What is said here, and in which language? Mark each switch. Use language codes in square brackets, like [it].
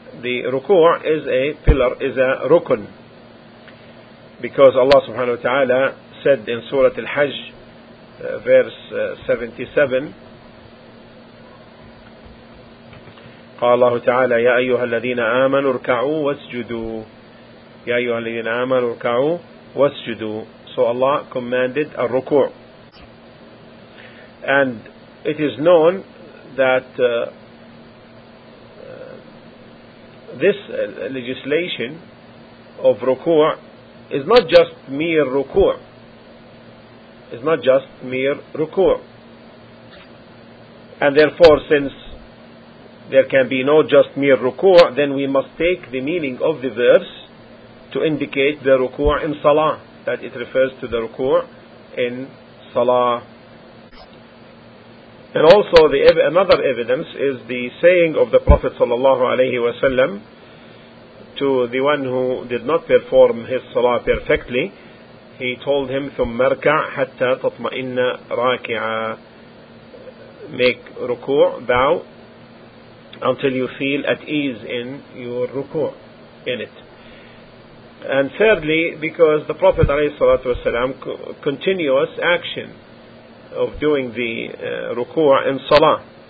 [en] The ruku' is a pillar, is a rukun, because Allah subhanahu wa ta'ala said in Surah Al-Hajj, verse 77, [ar] قال الله تعالى يا أيها الذين آمنوا اركعوا واسجدوا. يا أيها الذين آمنوا اركعوا واسجدوا. [en] So Allah commanded a ruku'. And it is known that this legislation of ruku' is not just mere ruku'. It's not just mere ruku'. And therefore, since there can be no just mere ruku', then we must take the meaning of the verse to indicate the ruku' in salah, that it refers to the ruku' in salah. And also the another evidence is the saying of the Prophet sallallahu alayhi wa sallam to the one who did not perform his salah perfectly. He told him, [ar] ثُمَّ ارْكَعْ حَتَّى تَطْمَئِنَّ رَاكِعًا. [en] Make ruku', bow, until you feel at ease in your ruku', in it. And thirdly, because the Prophet alayhi salatu wasalam, continuous action of doing the ruku' in salah.